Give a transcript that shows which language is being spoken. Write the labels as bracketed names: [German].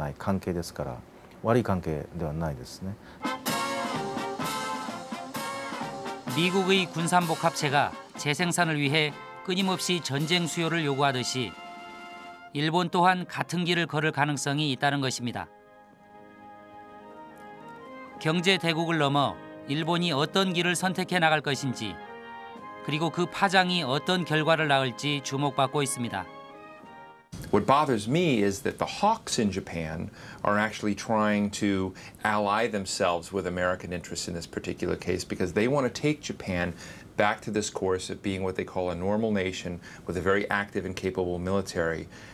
[Japanese] ミサイルディフェンスに関連してはですね、日本の防衛産業はそれは反感とおっしゃいましたですか？反感というものはないですね。日本の自衛隊と防衛産業というのは相互補完関係、相互がお互い協力し合って改善をしていかなければならない関係ですから、悪い関係ではないですね。 [Korean] 미국의 군산복합체가 재생산을 위해 끊임없이 전쟁 수요를 요구하듯이 일본 또한 같은 길을 걸을 가능성이 있다는 것입니다. 경제 대국을 넘어 일본이 어떤 길을 선택해 나갈 것인지 그리고 그 파장이 어떤 결과를 낳을지 주목받고 있습니다. [English] What bothers me is that the hawks in Japan are actually trying to ally themselves with American interests in this particular case because they want to take Japan back to this course of being what they call a normal nation with a very active and capable military.